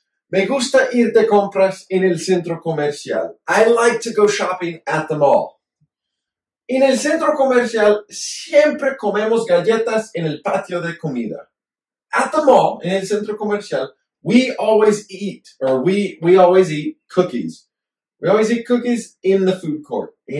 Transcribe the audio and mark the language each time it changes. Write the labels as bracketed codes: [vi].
[es] Me gusta ir de compras en el centro comercial. [en] I like to go shopping at the mall. [es] En el centro comercial, siempre comemos galletas en el patio de comida. [en] At the mall, [es] en el centro comercial, [en] We always eat cookies. We always eat cookies in the food court.